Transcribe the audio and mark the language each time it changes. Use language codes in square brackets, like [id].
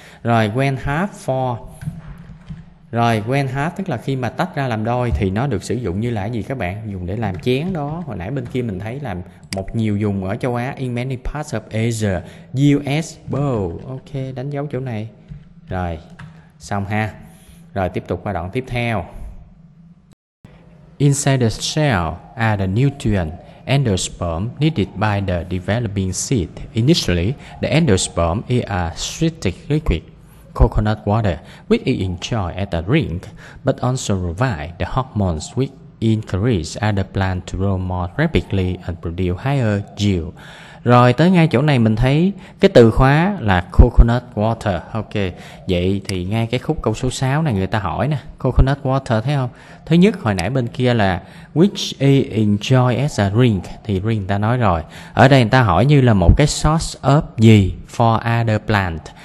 [vi] Rồi [en] when half for, [vi] rồi [en] when half [vi] tức là khi mà tách ra làm đôi thì nó được sử dụng như là gì các bạn? Dùng để làm chén đó. Hồi nãy bên kia mình thấy làm một nhiều dùng ở châu Á, [en] in many parts of Asia, US bowl. [vi] Ok, đánh dấu chỗ này. Rồi xong ha. Rồi tiếp tục qua đoạn tiếp theo. [en] Inside the shell are the nutrients, endosperm needed by the developing seed. Initially, the endosperm is a sweet liquid, coconut water, which it enjoys as a drink, but also provides the hormones which increase as the plant grows more rapidly and produce higher yield. [vi] Rồi tới ngay chỗ này mình thấy cái từ khóa là coconut water. Ok, vậy thì ngay cái khúc câu số 6 này người ta hỏi nè, coconut water thấy không? Thứ nhất hồi nãy bên kia là [en] which is enjoyed as a drink, [vi] thì drink người ta nói rồi. Ở đây người ta hỏi như là một cái source of gì [en] for other plant.